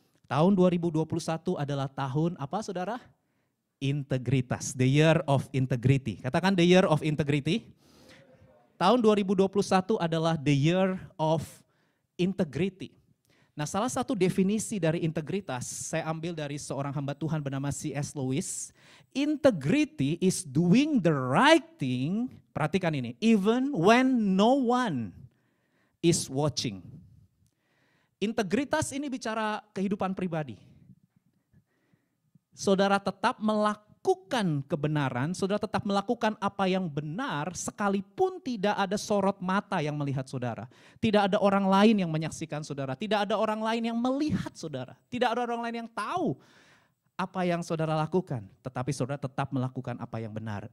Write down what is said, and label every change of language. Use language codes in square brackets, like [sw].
[id] Tahun 2021 adalah tahun apa, saudara? Integritas, [en] the year of integrity. [id] Katakan [en] the year of integrity. [id] Tahun 2021 adalah [en] the year of integrity. [id] Nah, salah satu definisi dari integritas, saya ambil dari seorang hamba Tuhan bernama C.S. Lewis. [en] Integrity is doing the right thing, [id] perhatikan ini, [en] even when no one is watching. [id] Integritas ini bicara kehidupan pribadi. Saudara tetap melakukan kebenaran, saudara tetap melakukan apa yang benar, sekalipun tidak ada sorot mata yang melihat saudara. Tidak ada orang lain yang menyaksikan saudara, tidak ada orang lain yang melihat saudara, tidak ada orang lain yang tahu apa yang saudara lakukan, tetapi saudara tetap melakukan apa yang benar.